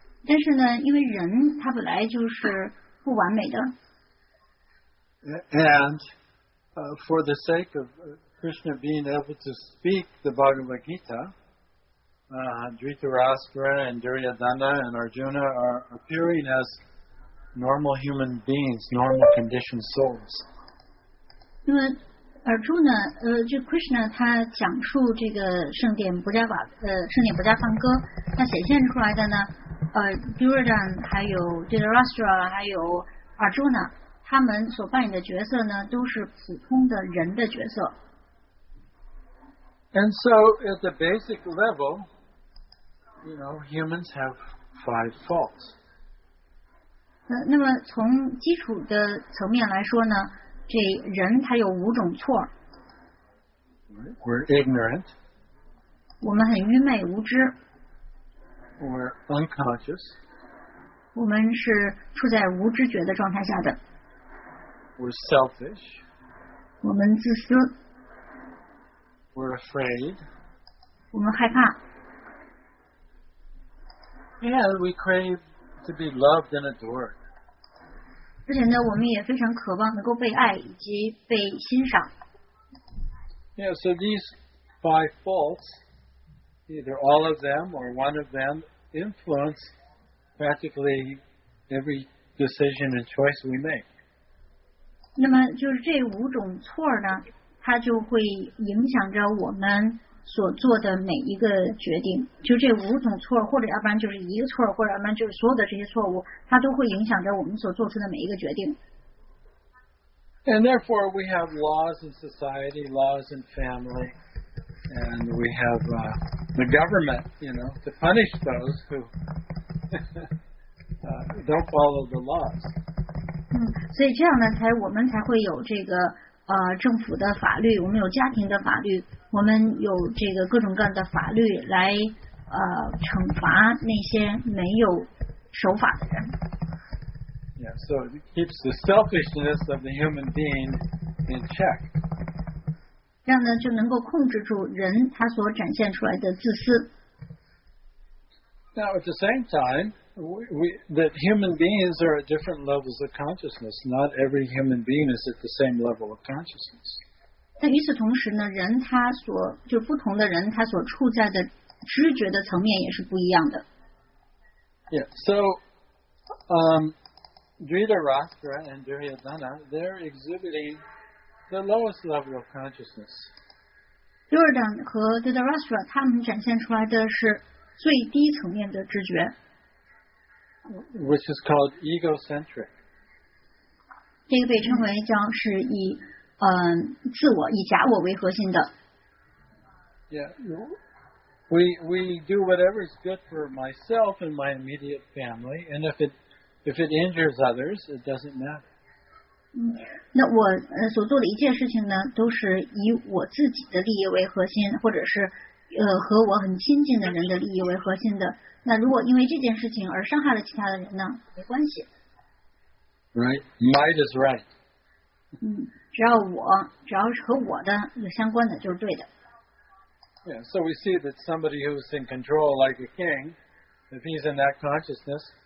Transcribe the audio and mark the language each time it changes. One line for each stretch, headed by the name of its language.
Chinese: 但是呢，因为人他本来就是不完美的。
English: And for the sake of Krishna being able to speak the Bhagavad Gita, Dhritarashtra and Duryodhana and Arjuna are appearing as normal human beings, normal conditioned souls.
Chinese: 因为 Arjuna 就 Krishna 他讲述这个圣典不加梵歌，他显现出来的呢。 Duryodhana 还有 Dhritarashtra 还有 Arjuna 他们所扮演的角色呢都是普通的人的角色。
English: And so at the basic level, you know, humans have five faults.
Chinese: 那么从基础的层面来说呢，这人他有五种错。
English: We're ignorant.
Chinese: 我们很愚昧无知。
English: We're unconscious.
Chinese: 我们是处在无知觉的状态下的。
English: We're selfish.
Chinese: 我们自私。
English: We're afraid.
Chinese: 我们害怕。
English: And we crave to be loved and adored.
Chinese: 而且呢，我们也非常渴望能够被爱以及被欣赏。
English: Yeah, so these five faults, either all of them or one of them,influence practically every decision and choice we make.
Chinese: 那么就是这五种错呢，它就会影响着我们所做的每一个决定。就这五种错，或者要不然就是一个错，或者要不然就是所有的这些错误，它都会影响着我们所做出的每一个决定。
English: And therefore, we have laws in society, laws in family. And we have the government, you know, to punish those who don't follow the laws.
Chinese: 所以这样呢，才我们才会有这个政府的法律，我们有家庭的法律，我们有这个各种各样的法律来惩罚那些没有守法的人。
English: Yeah, so it keeps the selfishness of the human being in check.
Chinese: 这样呢，就能够控制住人他所展现出来的自私。
English: Now at the same time, that human beings are at different levels of consciousness. Not every human being is at the same level of consciousness.
Chinese: 但与此同时呢，人他所就不同的人他所处在的知觉的层面也是不一样的。
English: Yeah, so, Dhritarashtra and Duryodhana, they're exhibiting the lowest level of consciousness.
Chinese: Duryodhana 和 Dhritarashtra 他们展现出来的是最低层面的知觉。
English: Which is called egocentric.
Chinese: 这个被称为叫是以自我以假我为核心的。
English: Yeah, we do whatever is good for myself and my immediate family, and if it injures others, it doesn't matter.
Chinese: 那我所做的一件事情呢，都是以我自己的利益为核心，或者是和我很亲近的人的利益为核心的。那如果因为这件事情而伤害了其他的人呢，没关系。
English: Right, might is right.
Chinese: 只要是和我的有相关的，就是对的。
English: Yeah, so we see that somebody who's in control, like a king, if he's in that consciousness.